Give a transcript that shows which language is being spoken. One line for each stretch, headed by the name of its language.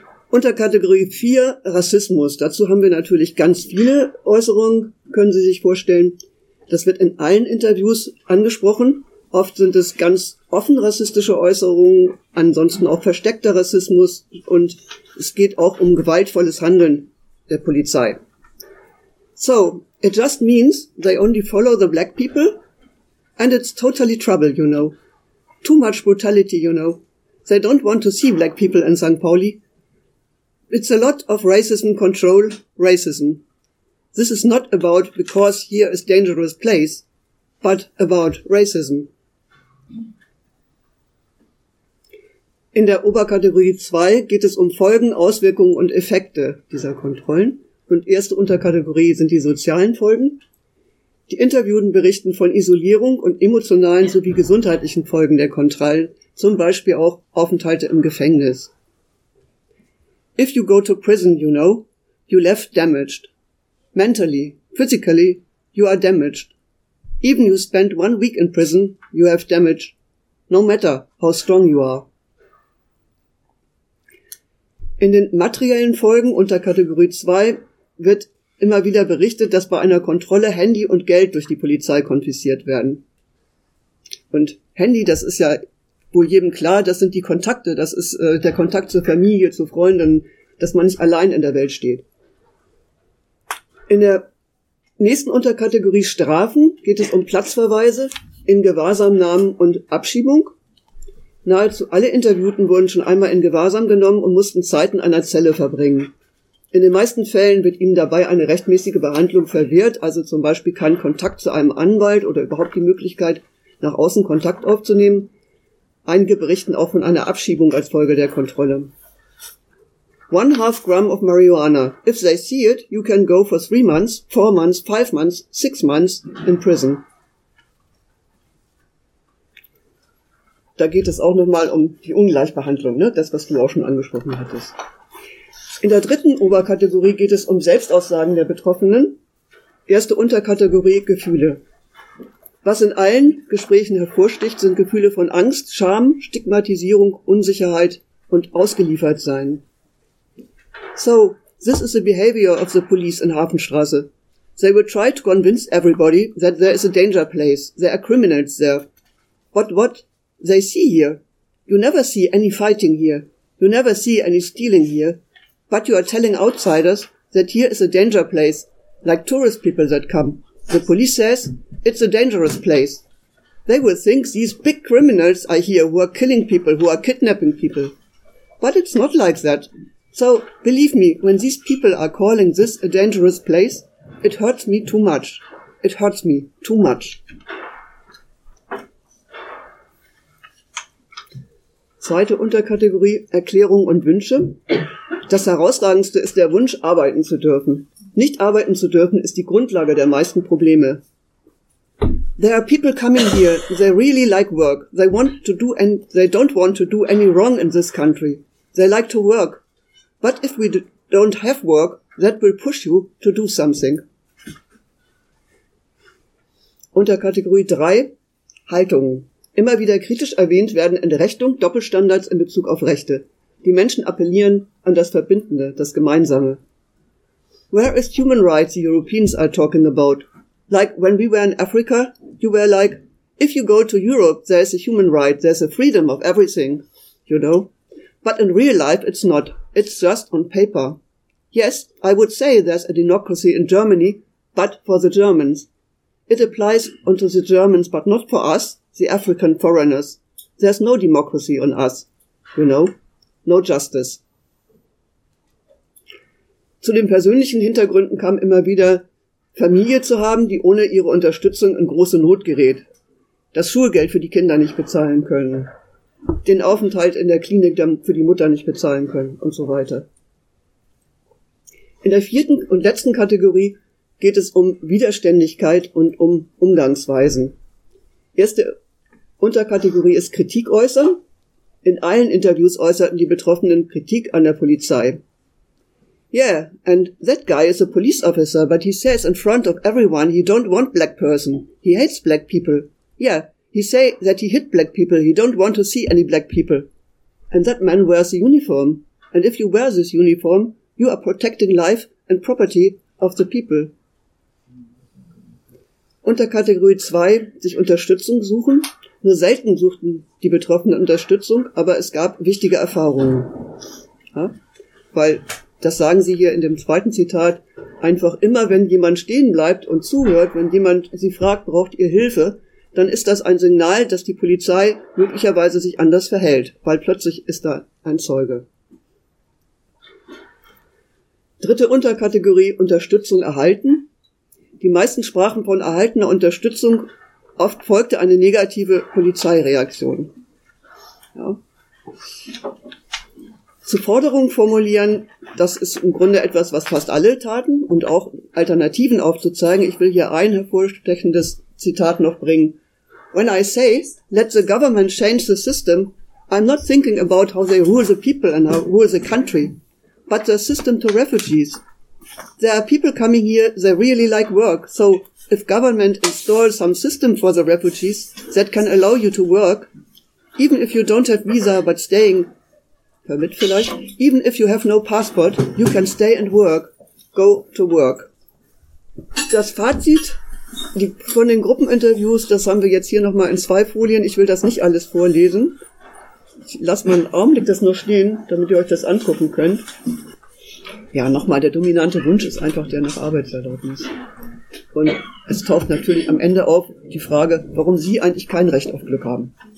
German: Unter Kategorie 4 Rassismus. Dazu haben wir natürlich ganz viele Äußerungen, können Sie sich vorstellen. Das wird in allen Interviews angesprochen. Oft sind es ganz offen rassistische Äußerungen, ansonsten auch versteckter Rassismus. Und es geht auch um gewaltvolles Handeln der Polizei.
English: So, it just means they only follow the black people. And it's totally trouble, you know. Too much brutality, you know. They don't want to see black people in St. Pauli. It's a lot of racism control, racism. This is not about because here is dangerous place, but about racism.
German: In der Oberkategorie 2 geht es um Folgen, Auswirkungen und Effekte dieser Kontrollen. Und erste Unterkategorie sind die sozialen Folgen. Die Interviewten berichten von Isolierung und emotionalen sowie gesundheitlichen Folgen der Kontrollen, zum Beispiel auch Aufenthalte im Gefängnis.
English: If you go to prison, you know, you left damaged. Mentally, physically, you are damaged. Even you spend 1 week in prison, you have damage, no matter how strong you are.
German: In den materiellen Folgen unter Kategorie 2 wird immer wieder berichtet, dass bei einer Kontrolle Handy und Geld durch die Polizei konfisziert werden. Und Handy, das ist ja wohl jedem klar, das sind die Kontakte, das ist der Kontakt zur Familie, zu Freunden, dass man nicht allein in der Welt steht. In der nächsten Unterkategorie Strafen geht es um Platzverweise in Gewahrsamnahmen und Abschiebung. Nahezu alle Interviewten wurden schon einmal in Gewahrsam genommen und mussten Zeit in einer Zelle verbringen. In den meisten Fällen wird ihnen dabei eine rechtmäßige Behandlung verwehrt, also zum Beispiel kein Kontakt zu einem Anwalt oder überhaupt die Möglichkeit, nach außen Kontakt aufzunehmen. Einige berichten auch von einer Abschiebung als Folge der Kontrolle.
English: 1.5 gram of marijuana. If they see it, you can go for 3 months, 4 months, 5 months, 6 months in prison.
German: Da geht es auch nochmal um die Ungleichbehandlung, ne? Das, was du auch schon angesprochen hattest. In der dritten Oberkategorie geht es um Selbstaussagen der Betroffenen. Erste Unterkategorie Gefühle. Was in allen Gesprächen hervorsticht, sind Gefühle von Angst, Scham, Stigmatisierung, Unsicherheit und Ausgeliefertsein.
English: So, this is the behavior of the police in Hafenstraße. They will try to convince everybody that there is a danger place. There are criminals there. But what they see here? You never see any fighting here. You never see any stealing here. But you are telling outsiders that here is a danger place, like tourist people that come. The police says it's a dangerous place. They will think these big criminals are here who are killing people, who are kidnapping people. But it's not like that. So, believe me, when these people are calling this a dangerous place, it hurts me too much. It hurts me too much.
German: Zweite Unterkategorie, Erklärung und Wünsche. Das Herausragendste ist der Wunsch, arbeiten zu dürfen. Nicht arbeiten zu dürfen ist die Grundlage der meisten Probleme.
English: There are people coming here, they really like work. They want to do and they don't want to do any wrong in this country. They like to work. But if we don't have work, that will push you to do something.
German: Unter Kategorie 3, Haltungen. Immer wieder kritisch erwähnt werden Entrechtung, Doppelstandards in Bezug auf Rechte. Die Menschen appellieren an das Verbindende, das Gemeinsame.
English: Where is human rights the Europeans are talking about? Like when we were in Africa, you were like, if you go to Europe, there is a human right, there is a freedom of everything, you know. But in real life, it's not. It's just on paper. Yes, I would say there's a democracy in Germany, but for the Germans. It applies unto the Germans, but not for us, the African foreigners. There's no democracy on us, you know, no justice.
German: Zu den persönlichen Hintergründen kam immer wieder, Familie zu haben, die ohne ihre Unterstützung in große Not gerät, das Schulgeld für die Kinder nicht bezahlen können, den Aufenthalt in der Klinik für die Mutter nicht bezahlen können und so weiter. In der vierten und letzten Kategorie geht es um Widerständigkeit und um Umgangsweisen. Erste Unterkategorie ist Kritik äußern. In allen Interviews äußerten die Betroffenen Kritik an der Polizei.
English: Yeah, and that guy is a police officer, but he says in front of everyone he don't want black person. He hates black people. Yeah. He say that he hit black people, he don't want to see any black people. And that man wears a uniform. and if you wear this uniform, you are protecting life and property of the people.
German: Unter Kategorie 2, sich Unterstützung suchen. Nur selten suchten die Betroffenen Unterstützung, aber es gab wichtige Erfahrungen. Ja? Weil, das sagen sie hier in dem zweiten Zitat, einfach immer, wenn jemand stehen bleibt und zuhört, wenn jemand sie fragt, braucht ihr Hilfe, dann ist das ein Signal, dass die Polizei möglicherweise sich anders verhält, weil plötzlich ist da ein Zeuge. Dritte Unterkategorie, Unterstützung erhalten. Die meisten sprachen von erhaltener Unterstützung, oft folgte eine negative Polizeireaktion. Ja. Zu Forderungen formulieren, das ist im Grunde etwas, was fast alle taten, und auch Alternativen aufzuzeigen. Ich will hier ein hervorstechendes Zitat noch bringen.
English: When I say, let the government change the system, I'm not thinking about how they rule the people and how rule the country, but the system to refugees. There are people coming here, they really like work, so if government installs some system for the refugees that can allow you to work, even if you don't have visa but staying, permit
German: vielleicht,
English: even if you have no passport, you can stay and work, go to work.
German: Das Fazit von den Gruppeninterviews, das haben wir jetzt hier nochmal in 2 Folien, ich will das nicht alles vorlesen. Ich lasse mal einen Augenblick das noch stehen, damit ihr euch das angucken könnt. Ja, nochmal, der dominante Wunsch ist einfach der nach Arbeitserlaubnis. Und es taucht natürlich am Ende auf die Frage, warum Sie eigentlich kein Recht auf Glück haben.